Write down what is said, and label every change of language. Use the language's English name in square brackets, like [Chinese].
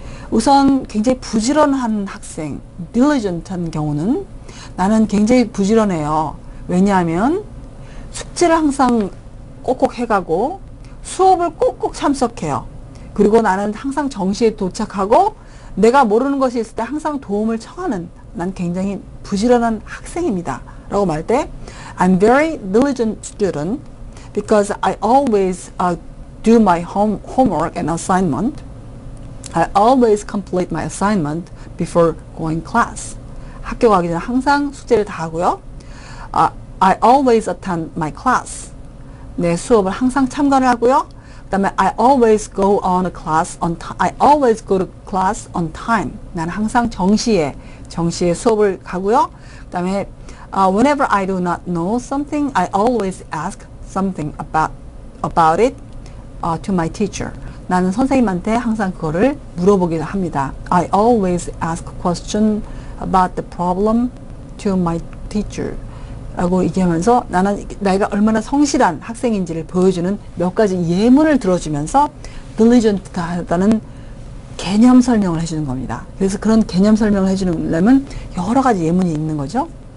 [Korean] 우선 굉장히 부지런한 학생, diligent한 경우는 나는 굉장히 부지런해요. 왜냐하면 숙제를 항상 꼭꼭 해가고 수업을 꼭꼭 참석해요. 그리고 나는 항상 정시에 도착하고 내가 모르는 것이 있을 때 항상 도움을 청하는 난 굉장히 부지런한 학생입니다. 라고 말할 때 [English] I'm very diligent student because I always do my homework and assignment. I always complete my assignment before going class. [Korean] 학교 가기 전에 항상 숙제를 다 하고요. [English] I always attend my class. [Korean] 내 수업을 항상 참관을 하고요. 그다음에 [English] I always go on a class on time. I always go to class on time. [Korean] 나는 항상 정시에 수업을 가고요. 그다음에 [English] whenever I do not know something, I always ask something about it to my teacher. [Korean] 나는 선생님한테 항상 그거를 물어보기도 합니다. [English] I always ask question about the problem to my teacher. [Korean] 라고 얘기하면서 나는 내가 얼마나 성실한 학생인지를 보여주는 몇 가지 예문을 들어주면서 diligent하다는 개념 설명을 해주는 겁니다. 그래서 그런 개념 설명을 해주려면 여러 가지 예문이 있는 거죠.